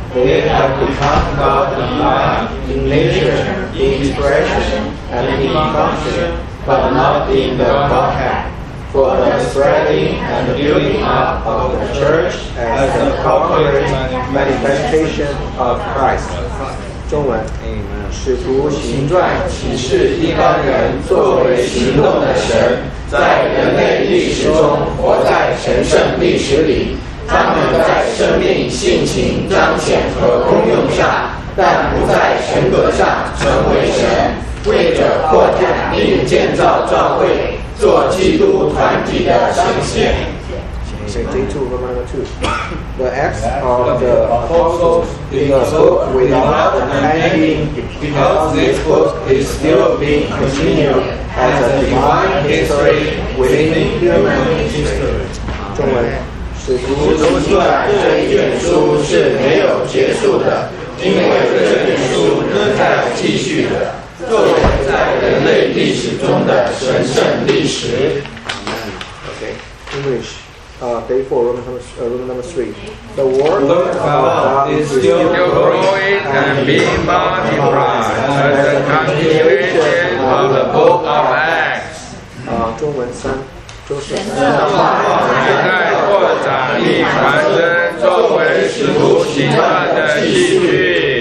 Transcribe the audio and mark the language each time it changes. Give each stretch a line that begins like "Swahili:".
English: They have become God in mind, in nature, in expression, and in function, but not in the Godhead. For the spreading and building up of the church as the corporate manifestation of Christ.
Chinese: 中文， 《 使徒行传》 启示一般人作为行动的神，在人类历史中活在神圣历史里。他们在生命性情彰显和功用上，但不在神格上成为神，为着扩展并建造教会，做基督团体的呈现。
English: The acts of the apostles in the book will not end because this book is still being continued as a divine history within human history.
Chinese: 使徒行传这一卷书是没有结束的，因为这卷书仍在继续的，作为在人类历史中的神圣历史。
English: Okay, English. Day four, room number three. The word of God is still growing and being multiplied as a continuation of the Book of Acts.
Chinese: 中文三。神的话仍在扩展并传承，作为使徒行传的继续。